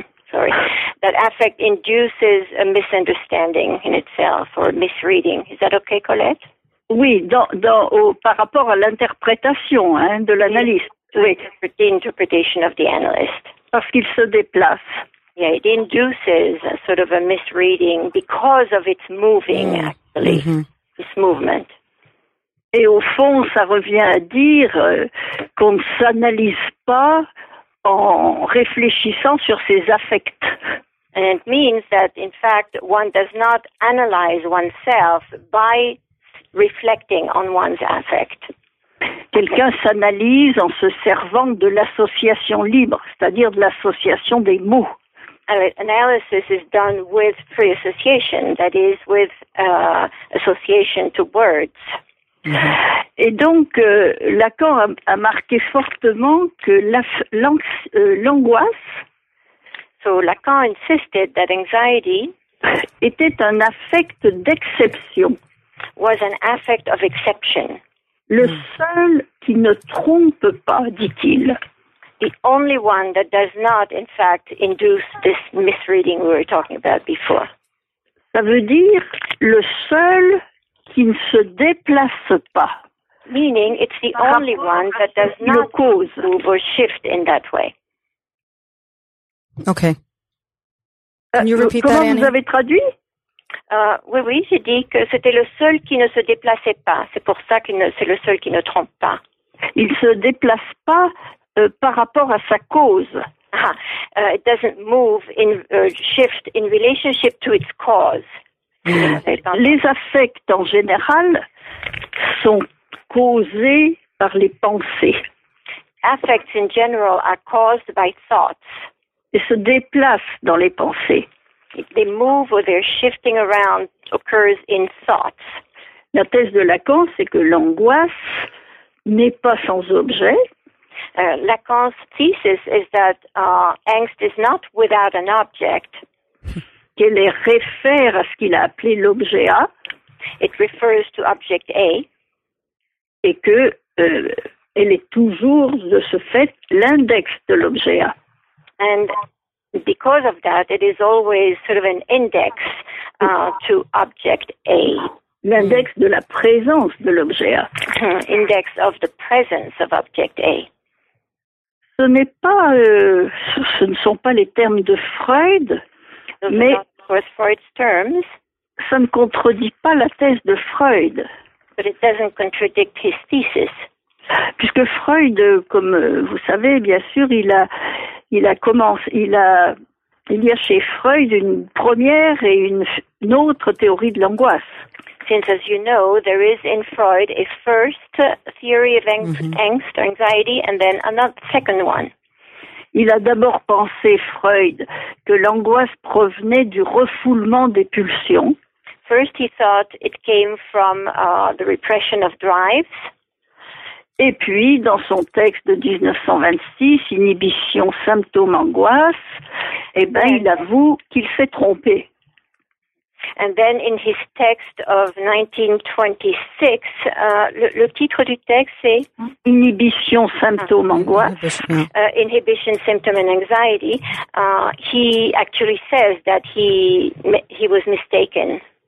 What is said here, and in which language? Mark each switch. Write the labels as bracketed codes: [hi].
[en] Sorry, that affect induces a misunderstanding in itself or a misreading. Is that okay, Colette? [fr] Oui, par rapport à l'interprétation de l'analyste. [en] The interpretation of the analyst. [fr] Parce qu'il se déplace. [en] Yeah, it induces a sort of a misreading because of its moving, actually, its movement. [fr] Et au fond, ça revient à dire qu'on ne s'analyse pas en réfléchissant sur ses affects. [en] And it means that, in fact, one does not analyze oneself by reflecting on one's affect. [fr] Quelqu'un s'analyse en se servant de l'association libre, c'est-à-dire de l'association des mots. [en] Analysis is done with free association, that is, with association to words. [fr] Et donc, Lacan a marqué fortement que l'angoisse. [en] So Lacan insisted that anxiety [fr] était un affect d'exception. [en] Was an affect of exception. [fr] Le seul qui ne trompe pas, dit-il. [en] The only one that does not, in fact, induce this misreading we were talking about before. [fr] Ça veut dire le seul qui ne se déplace pas. [en] Meaning, it's the only one that does not cause move or shift in that way. Okay. Can you repeat [fr] comment [en] that, [fr] vous avez traduit? Oui, j'ai dit que c'était le seul qui ne se déplaçait pas. C'est pour ça que c'est le seul qui ne trompe pas. Il ne se déplace pas par rapport à sa cause. [en] It doesn't move in shift in relationship to its cause. [fr] Les affects en général sont causés par les pensées. [en] Affects in general are caused by thoughts. [fr] Ils se déplacent dans les pensées. [en] They move or they're shifting around occurs in thoughts. [fr] La thèse de Lacan, c'est que l'angoisse n'est pas sans objet. [en] Lacan's thesis is that angst is not without an object. [fr] Qu'elle est réfère à ce qu'il a appelé l'objet A. [en] It refers to object A. [fr] Et que elle est toujours, de ce fait, l'index de l'objet A. [en] And because of that, it is always sort of an index to object A. [fr] L'index de la présence de l'objet A. [en] Index of the presence of object A. [fr] Ce n'est pas, ce ne sont pas les termes de Freud, mais [en] Freud's terms. [fr] Ça ne contredit pas la thèse de Freud. [en] But it doesn't contradict his thesis. [fr] Puisque Freud, comme vous savez, bien sûr, il y a chez Freud une première et une autre théorie de l'angoisse. [en] Since, as you know, there is in Freud a first theory of angst or anxiety and then another second one. [fr] Il a d'abord pensé, Freud, que l'angoisse provenait du refoulement des pulsions. [en] First he thought it came from the repression of drives. [fr] Et puis, dans son texte de 1926, Inhibition, symptômes, angoisse, eh ben, il avoue qu'il s'est trompé. [en] And then in his text of 1926, [fr] le titre du texte c'est Inhibition, symptômes, angoisse. [en] Inhibition, symptom and anxiety. He actually says that he was mistaken.